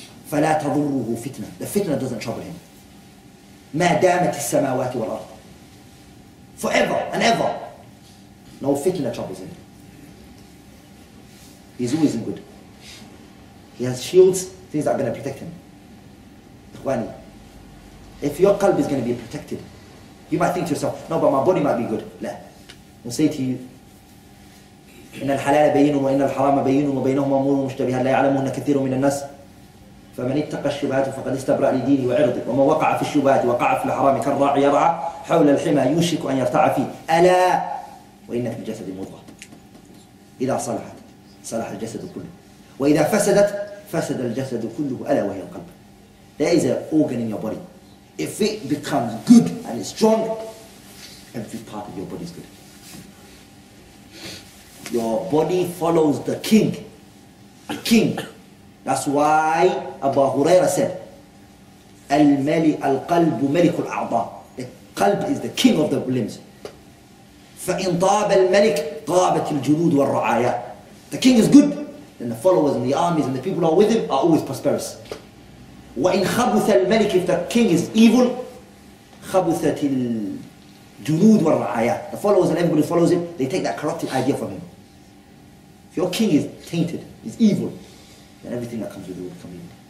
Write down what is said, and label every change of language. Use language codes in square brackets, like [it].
[ar] فَلَا تَضُرُّهُ فِتْنَةٌ, [en] the fitna doesn't trouble him. [ar] مَا دَامَتِ السَّمَاوَاتِ وَالْأَرْضِ, [en] forever and ever, no fitna troubles him. He's always in good. He has shields, things that are going to protect him. Ikhwani, if your qalb is going to be protected, you might think to yourself, no, but my body might be good. La, we'll say to you, [ar] إِنَّ الْحَلَالَ بَيِّنٌ وَإِنَّ الْحَرَامَ بَيِّنٌ وَبَيْنَهُمَ أُمُورٌ مُشْتَبِهَةٌ لَا يَعْلَمُهُنَّ كَثِيرٌ مِنَ النَّاسِ. فمن اتقى الشبهات فقد استبرأ لدينه وعرضه، وما وقع في الشبهات وقع في الحرام كالراعي يرعى حول الحمى يوشك أن يرتعى فيه، ألا وإنك بجسد مضغة. إذا صلحت صلح الجسد كله، وإذا فسدت فسد الجسد كله، ألا وهي القلب. [en] There is an organ in your body. If it becomes good and strong, every part of your body is good. Your body follows the king. The king. That's why Abu Huraira said, [ar] "Al-mali al-qalb malik al-a'dha." [en] The qalb is the king of the limbs. [ar] فَإِنْ طَابَ الْمَلِكُ طَابَتِ الْجُلُودُ وَالرَّعَايَا. [en] The king is good, then the followers and the armies and the people who are with him are always prosperous. [ar] وَإِنْ خَبُثَ الْمَلِكُ, [en] if the king is evil, [ar] خَبُثَتِ الْجُلُودُ وَالرَّعَايَا. [en] The followers and everybody who follows him, they take that corrupted idea from him. If your king is tainted, is evil, then everything that comes with it will become evil.